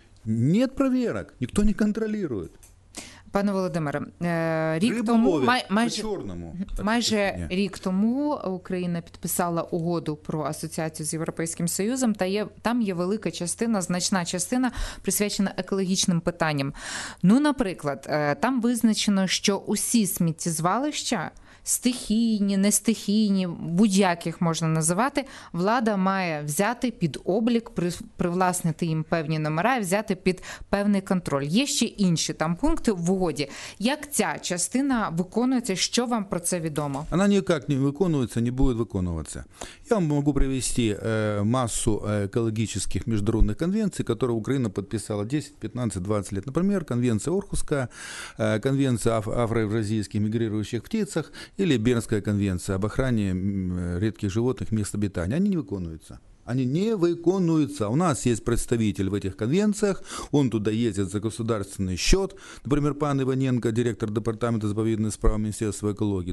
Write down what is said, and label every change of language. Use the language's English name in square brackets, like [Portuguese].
[Russian] Нет проверок, никто не контролирует. [Ukrainian] Пане Володимире, рік Рибу тому майже рік тому Україна підписала угоду про асоціацію з Європейським Союзом, та там є велика частина, значна частина, присвячена екологічним питанням. Ну, наприклад, там визначено, що усі сміттєзвалища стихійні, нестихійні, будь-яких можна називати, влада має взяти під облік, привласнити їм певні номера, взяти під певний контроль. Є ще інші там пункти в угоді. Як ця частина виконується? Що вам про це відомо? Вона ніяк не виконується, не буде виконуватися. Я вам можу привести масу екологічних міжнародних конвенцій, які Україна підписала 10, 15, 20 років. Наприклад, конвенція Орхуска, конвенція афроєвразійських мігрируючих птицях, [Russian] или Бернская конвенция об охране редких животных мест обитания. Они не выполняются. Они не выполняются. У нас есть представитель в этих конвенциях, он туда ездит за государственный счет. Например, пан Иваненко, директор департамента заповедных прав Министерства экологии.